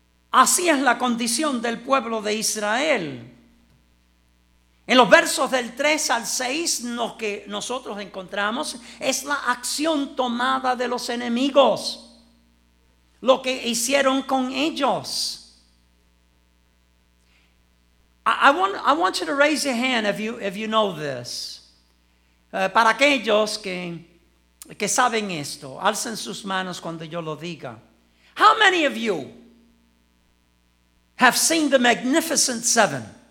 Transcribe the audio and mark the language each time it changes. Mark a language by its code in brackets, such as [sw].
[es] Así es la condición del pueblo de Israel. En los versos del 3 al 6, lo que nosotros encontramos es la acción tomada de los enemigos, lo que hicieron con ellos. [en] I want you to raise your hand if you know this. [es] Para aquellos que saben esto, alcen sus manos cuando yo lo diga. [en] How many of you have seen the Magnificent Seven?